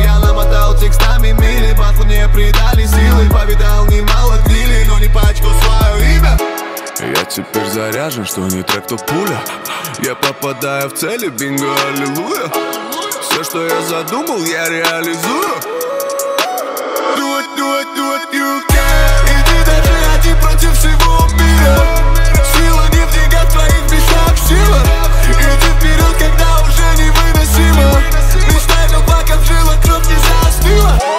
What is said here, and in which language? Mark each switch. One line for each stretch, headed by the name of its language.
Russian: Я намотал текстами мили, батву не придали силы. Повидал немало гнили, но не пачкал свое имя. Я теперь заряжен, что не трек, то пуля. Я попадаю в цели, бинго, аллилуйя. Все, что я задумал, я реализую.
English: Do it, do it, do what you can.
Russian: Иди даже один против всего мира. Сила не в деньгах твоих, бесах сила. Иди вперед, когда уже невыносимо. Мечтай, но пока в жилах кровь не застыла.